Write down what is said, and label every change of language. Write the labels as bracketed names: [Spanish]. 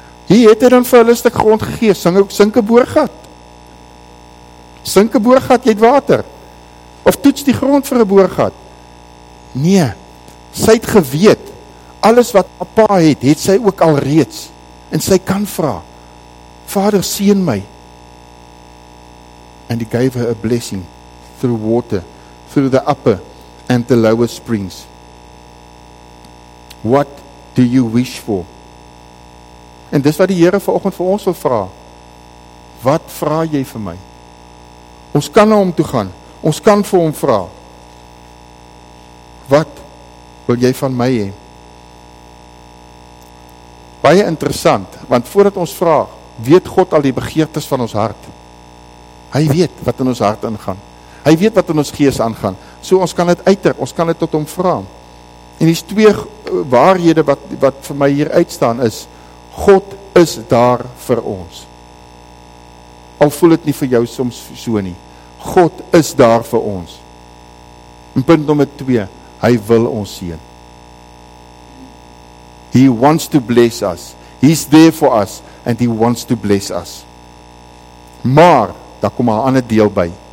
[Afrikaans] Hier het hy dan vir hulle stuk grond gegee, sink 'n boorgat, jy het water. Of toets die grond vir 'n boorgat. Nee, sy het geweet, alles wat pa het, het sy ook al reeds. En sy kan vra, Vader, seën my. [English] And he gave her a blessing through water, through the upper and the lower springs. What do you wish for? [Afrikaans] En dis wat die Here vanoggend vir ons wil vra. Wat vra jy vir my? Ons kan na hom toe gaan. Ons kan vir hom vra. Wat wil jy van my hê? Baie interessant, want voordat ons vra, weet God al die begeertes van ons hart. Hy weet wat in ons hart ingaan. Hy weet wat in ons gees aangaan. So ons kan dit uiter, ons kan dit tot hom vra. En die twee waarhede wat vir my hier uitstaan is, God is daar vir ons. Al voel het nie vir jou soms so nie. God is daar vir ons. En punt nummer 2, hy wil ons seën. [English] He wants to bless us. He's there for us and he wants to bless us. [Afrikaans] Maar, daar kom 'n ander deel by.